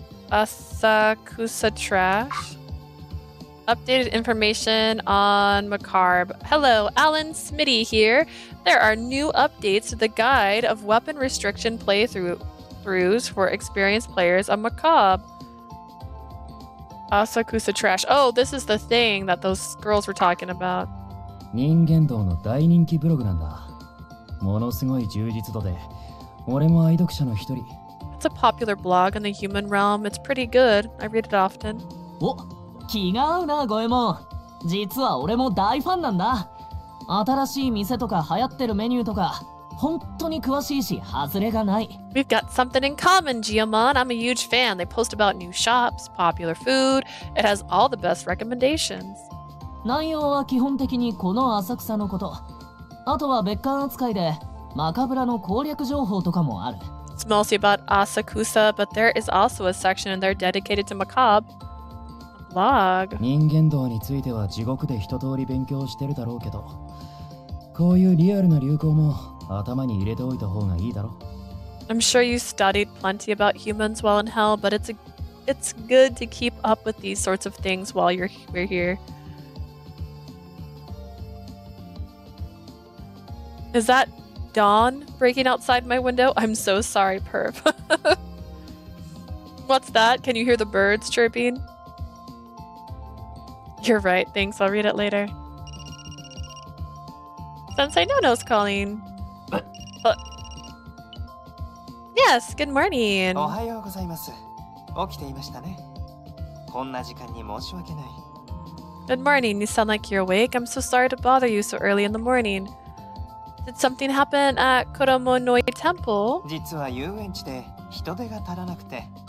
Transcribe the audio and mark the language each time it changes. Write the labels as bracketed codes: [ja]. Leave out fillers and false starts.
[en] Asakusa Trash. Updated information on Macarb. Hello, Alan Smitty here. There are new updates to the guide of weapon restriction playthroughs for experienced players of Macarb. Asakusa Trash. Oh, this is the thing that those girls were talking about. [ja] ものすごい充実度で、俺も愛読者の一人。 [en] It's a popular blog in the human realm. It's pretty good. I read it often. [ja] お、気が合うな、ゴエモン。実は俺も大ファンなんだ。新しい店とか流行ってるメニューとか、本当に詳しいし、ハズレがない。 [en] We've got something in common, Giamon. I'm a huge fan. They post about new shops, popular food. It has all the best recommendations. [ja] 内容は基本的にこの浅草のこと。あとは別館扱いで、マカブラの攻略情報とかもある。 [en] It's mostly about Asakusa, but there is also a section in there dedicated to macabre. Blog. [ja] 人間道については地獄で一通り勉強してるだろうけど、こういうリアルな流行も頭に入れておいた方がいいだろ。 [en] I'm sure you studied plenty about humans while in hell, but it's good to keep up with these sorts of things while we're here. Is that dawn breaking outside my window? I'm so sorry, perv. What's that? Can you hear the birds chirping? You're right, thanks. I'll read it later. Sensei Nono's calling. Yes, good morning. [ja] おはようございます。起きていましたね。こんな時間に申し訳ない。 [en] Good morning. You sound like you're awake. I'm so sorry to bother you so early in the morning. Did something happen at Koromonoi Temple? [ja] 実は遊園地で人手が足らなくて。